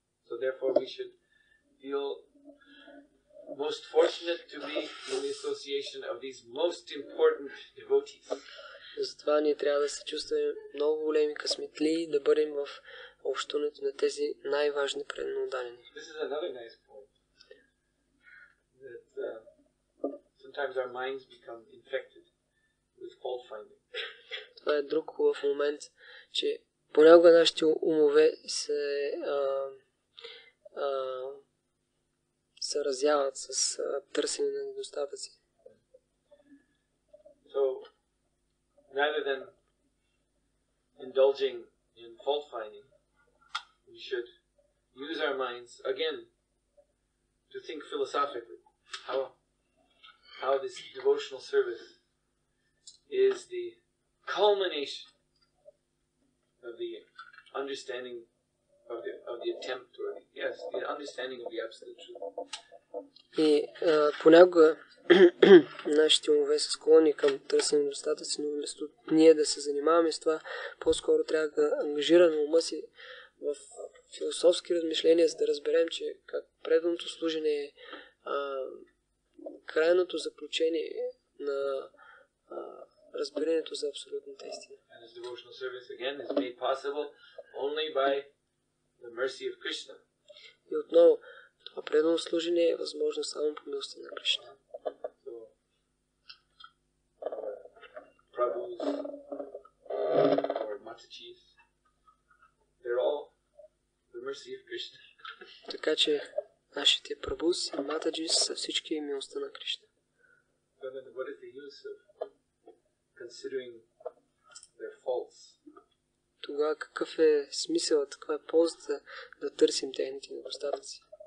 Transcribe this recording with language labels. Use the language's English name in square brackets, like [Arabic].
[English] So therefore we should feel most fortunate to be in the association of these most important devotees. [Bulgarian] Затова ние трябва да се чувстваме много големи късметли и да бъдем в общуването на тези най-важни предан ударени. [English] This is another nice point. That sometimes our minds become infected with fault finding. [Bulgarian] Това е друг хубав момент, че понякога нашите умове се разяват с търсене на недостатъци. [English] So, rather than indulging in fault finding, we should use our minds again to think philosophically how this devotional service is the culmination of the understanding the understanding of the absolute truth. [Bulgarian] И понякога нашите умове са склонни към търсене недостатъци, но вместо ние да се занимаваме с това, по-скоро трябва да ангажираме ума си в философски размишления, за да разберем, че как преданото служене е крайното заключение на разбирането за абсолютната истина. [English] And this devotional service again is made possible only by the mercy of Krishna. [Bulgarian] И отново, това предано служение е възможно само по милостта на Кришна. [English] So, Prabhu's or Matachis, they're all the mercy of Krishna. [Bulgarian] Така че нашите Prabhus и Matachis са всички милостта на Кришна. [English] So then what is the use of considering their faults? [Bulgarian] Тогава какъв е смисълът, каква е ползата да търсим техните недостатъци?